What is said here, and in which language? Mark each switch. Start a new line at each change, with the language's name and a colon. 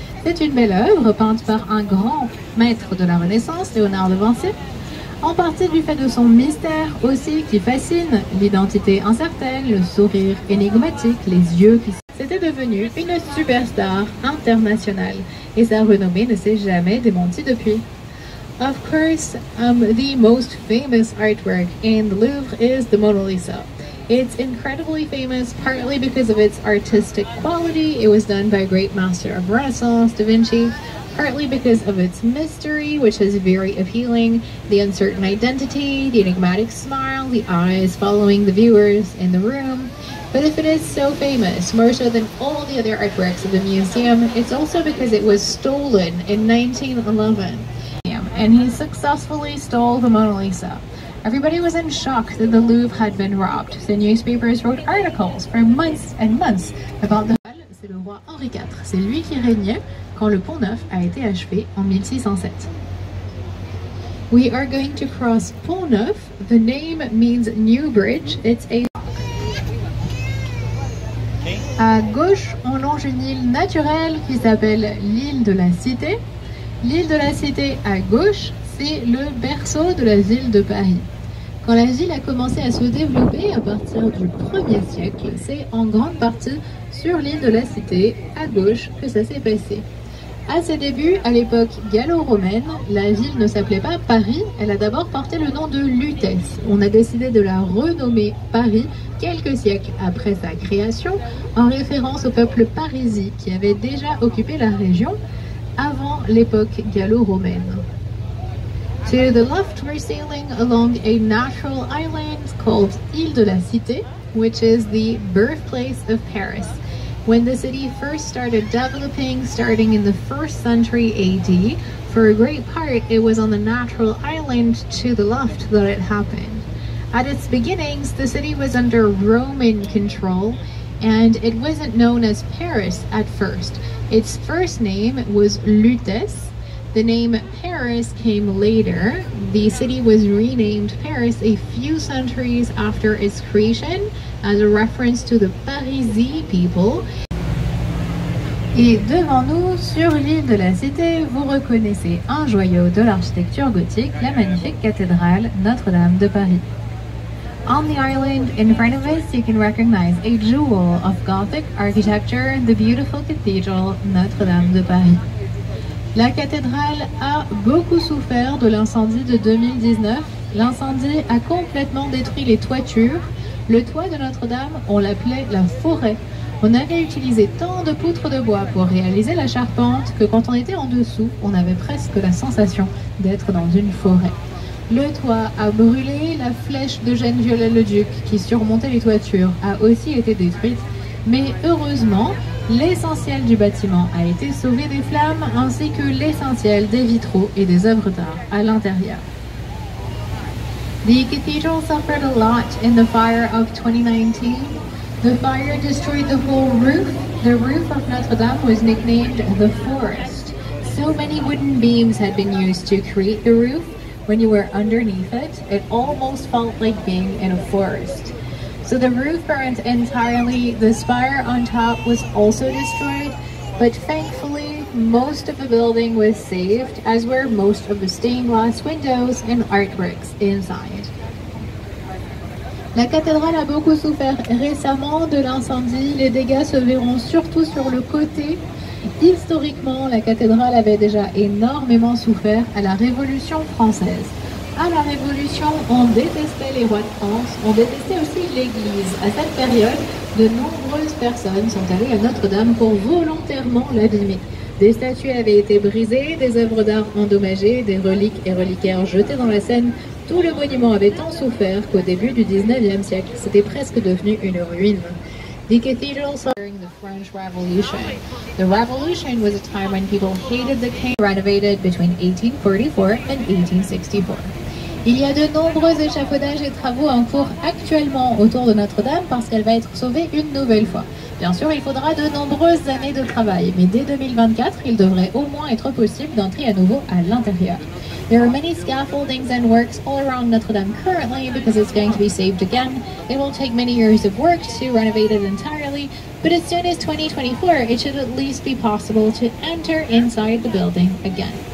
French: C'est une belle œuvre peinte par un grand maître de la Renaissance, Léonard de Vinci. En partie du fait de son mystère aussi qui fascine, l'identité incertaine, le sourire énigmatique, les yeux qui... C'était devenu une superstar internationale et sa renommée ne s'est jamais démentie depuis.
English: Of course, the most famous artwork in the Louvre is the Mona Lisa. It's incredibly famous partly because of its artistic quality. It was done by a great master of Renaissance, Da Vinci. Partly because of its mystery, which is very appealing. The uncertain identity, the enigmatic smile, the eyes following the viewers in the room. But if it is so famous, more so than all the other artworks of the museum, it's also because it was stolen in 1911. And he successfully stole the Mona Lisa. Everybody was in shock that the Louvre had been robbed. The newspapers wrote articles for months and months about the...
French: C'est le roi Henri IV. C'est lui qui régnait quand le Pont Neuf a été achevé en 1607.
English: We are going to cross Pont Neuf. The name means new bridge. It's a...
French: À gauche, on longe une île naturelle qui s'appelle l'île de la Cité. L'île de la Cité à gauche, c'est le berceau de la ville de Paris. Quand la ville a commencé à se développer à partir du 1er siècle, c'est en grande partie sur l'île de la Cité, à gauche, que ça s'est passé. À ses débuts, à l'époque gallo-romaine, la ville ne s'appelait pas Paris, elle a d'abord porté le nom de Lutèce. On a décidé de la renommer Paris quelques siècles après sa création, en référence au peuple parisien qui avait déjà occupé la région avant l'époque gallo-romaine.
English: To the left, we're sailing along a natural island called Île de la Cité. which is the birthplace of Paris. When the city first started developing, starting in the first century AD, for a great part, it was on the natural island to the left that it happened. At its beginnings, the city was under Roman control, and it wasn't known as Paris at first. Its first name was Lutèce. The name Paris came later. The city was renamed Paris a few centuries after its creation as a reference to the Parisii people.
French: Et devant nous, sur l'île de la Cité, vous reconnaissez un joyau de l'architecture gothique, la magnifique cathédrale Notre-Dame de Paris.
English: On the island in front of us, you can recognize a jewel of Gothic architecture, the beautiful cathedral Notre-Dame de Paris.
French: La cathédrale a beaucoup souffert de l'incendie de 2019. L'incendie a complètement détruit les toitures. Le toit de Notre-Dame, on l'appelait la forêt. On avait utilisé tant de poutres de bois pour réaliser la charpente que quand on était en dessous, on avait presque la sensation d'être dans une forêt. Le toit a brûlé, la flèche de Jeanne Viollet-le-Duc qui surmontait les toitures a aussi été détruite. Mais heureusement, l'essentiel du bâtiment a été sauvé des flammes ainsi que l'essentiel des vitraux et des œuvres d'art à l'intérieur.
English: The cathedral suffered a lot in the fire of 2019. The fire destroyed the whole roof. The roof of Notre Dame was nicknamed the forest. So many wooden beams had been used to create the roof. When you were underneath it, it almost felt like being in a forest. So the roof burned entirely. The spire on top was also destroyed. But thankfully, most of the building was saved, as were most of the stained glass windows and artworks inside.
French: La cathédrale a beaucoup souffert récemment de l'incendie. Les dégâts se verront surtout sur le côté. Historiquement, la cathédrale avait déjà énormément souffert à la Révolution française. À la Révolution, on détestait les rois de France. On détestait aussi l'Église. À cette période, de nombreuses personnes sont allées à Notre-Dame pour volontairement l'abîmer. Des statues avaient été brisées, des œuvres d'art endommagées, des reliques et reliquaires jetées dans la Seine. Tout le monument avait tant souffert qu'au début du 19e siècle, c'était presque devenu une ruine.
English: The cathedral suffered during the French Revolution. The Revolution was a time when people hated the king, renovated between 1844 and 1864.
French: Il y a de nombreux échafaudages et travaux en cours actuellement autour de Notre-Dame parce qu'elle va être sauvée une nouvelle fois. Bien sûr, il faudra de nombreuses années de travail, mais dès 2024, il devrait au moins être possible d'entrer à nouveau à l'intérieur.
English: There are many scaffoldings and works all around Notre-Dame currently because it's going to be saved again. It will take many years of work to renovate it entirely, but as soon as 2024, it should at least be possible to enter inside the building again.